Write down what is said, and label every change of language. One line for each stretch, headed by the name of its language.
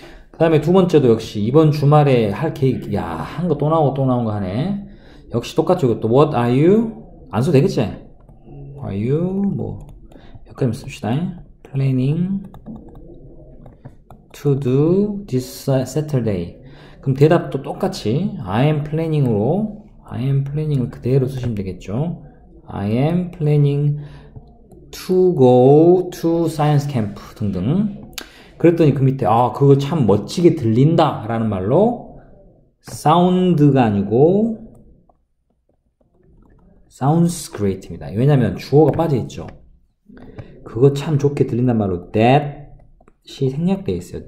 Korean: 그 다음에 두 번째도 역시 이번 주말에 할 계획. 야, 한거또 나오고 또 나온 거 하네. 역시 똑같죠. 이것도
English: What are you?
Korean: 안 써도 되겠지?
English: Are you?
Korean: 뭐 약간 씁시다.
English: Planning to do this Saturday.
Korean: 그럼 대답도 똑같이
English: I am planning
Korean: 으로, I am planning을 그대로 쓰시면 되겠죠.
English: I am planning to go to science camp
Korean: 등등. 그랬더니 그 밑에, 아, 그거 참 멋지게 들린다 라는 말로 사운드가 아니고
English: sounds great
Korean: 입니다. 왜냐면 주어가 빠져있죠. 그거 참 좋게 들린단 말로 that이 생략되어 있어요.